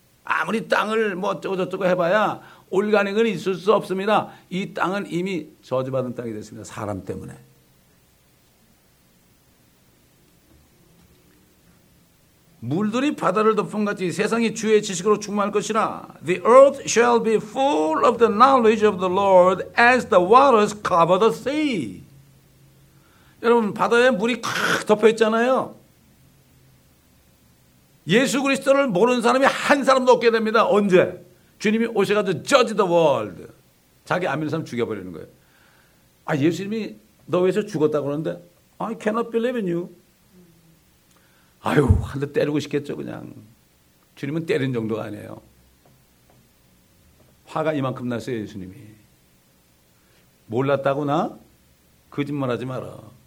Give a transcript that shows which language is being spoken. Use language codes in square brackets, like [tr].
[ko] 아무리 땅을 뭐 어쩌고저쩌고 해봐야 올가닉은 있을 수 없습니다. 이 땅은 이미 저주받은 땅이 됐습니다. 사람 때문에. 물들이 바다를 덮은 같이 세상이 주의 지식으로 충만할 것이라. [en] The earth shall be full of the knowledge of the Lord as the waters cover the sea. [ko] 여러분 바다에 물이 콱 덮여 있잖아요. 예수 그리스도를 모르는 사람이 한 사람도 없게 됩니다. 언제? 주님이 오셔가지고 [en] judge the world. [ko] 자기 안 믿는 사람 죽여버리는 거예요. 아 예수님이 너 위해서 죽었다고 그러는데 [en] I cannot believe in you. [ko] 아유 한 대 때리고 싶겠죠 그냥. 주님은 때린 정도가 아니에요. 화가 이만큼 났어요 예수님이. 몰랐다구나? 거짓말하지 마라.